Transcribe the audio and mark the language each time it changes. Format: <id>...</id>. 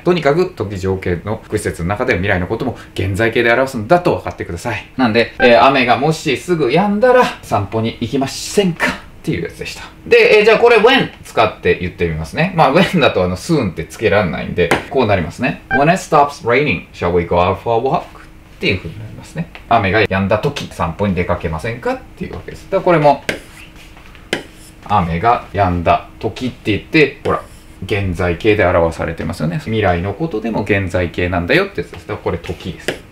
<ja>とにかく、時条件の副詞節の中で未来のことも現在形で表すんだと分かってください。なんで、雨がもしすぐ止んだら散歩に行きませんかっていうやつでした。で、じゃあこれ when 使って言ってみますね。まあ when だとあの soon ってつけらんないんで、こうなりますね。</ja> <en>When it stops raining, shall we go out for a walk?</en> <ja>っていう風になりますね。雨が止んだ時、散歩に出かけませんかっていうわけです。だからこれも雨が止んだ時って言って、ほら現在形で表されてますよね。未来のことでも現在形なんだよってやつです。だからこれ時です。</ja>